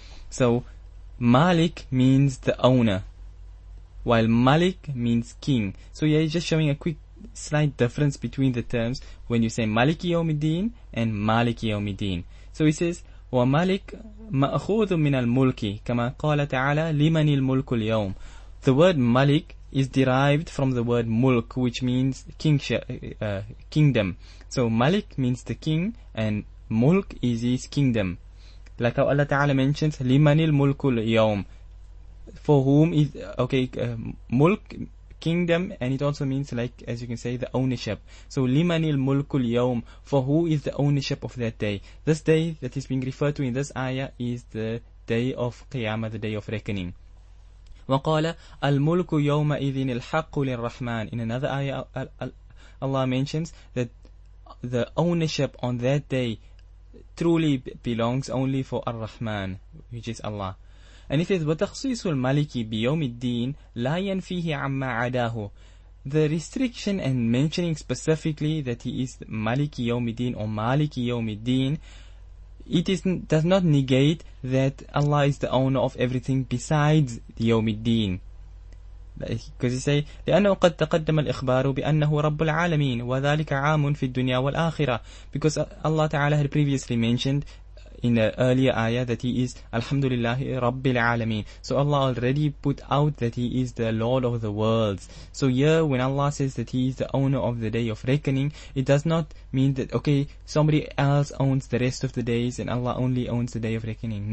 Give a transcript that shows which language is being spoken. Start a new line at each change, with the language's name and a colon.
English: So Malik means the owner, while Malik means king. So yeah, he's just showing a quick slight difference between the terms when you say Malik Yawmiddin and Malik Yawmiddin. So he says,
Arabic: وَمَالِكْ مَأْخُوذٌ مِنَ الْمُلْكِ كَمَا قَالَ تَعَالَى لِمَنِ الْمُلْكُ الْيَوْمِ.
English: The word Malik is derived from the word Mulk, which means kingdom. So Malik means the king, and Mulk is his kingdom. Like how Allah Ta'ala mentions,
Arabic: لِمَنِ الْمُلْكُ الْيَوْمِ.
English: For whom is, okay, Mulk, kingdom, and it also means, like, as you can say, the ownership. So
Arabic: لِمَنِ الْمُلْكُ الْيَوْمِ,
English: for who is the ownership of that day? This day that is being referred to in this ayah is the day of Qiyamah, the day of reckoning.
Arabic: وَقَالَ الْمُلْكُ يَوْمَئِذٍ الْحَقُّ لِلرَّحْمَنِ.
English: In another ayah, Allah mentions that the ownership on that day truly belongs only for Ar-Rahman, which is Allah. And it says,
Arabic: وَتَخْصِيصُ الْمَلِكِ بِيَوْمِ الدِّينِ لَا يَنْفِيهِ عَمَّا عَدَاهُ.
English: The restriction and mentioning specifically that he is Maliki Yawmi Deen or Maliki Yawmi Deen, it is, does not negate that Allah is the owner of everything besides the Yawmi Deen. Because he say,
Arabic: لأنه قد تقدم الإخبار بأنه رب العالمين وذلك عام في الدنيا والآخرة.
English: Because Allah Ta'ala had previously mentioned in an earlier ayah that he is Alhamdulillah Rabbil Alameen. So Allah already put out that he is the Lord of the worlds. So here when Allah says that he is the owner of the day of reckoning, it does not mean that, okay, somebody else owns the rest of the days and Allah only owns the day of reckoning.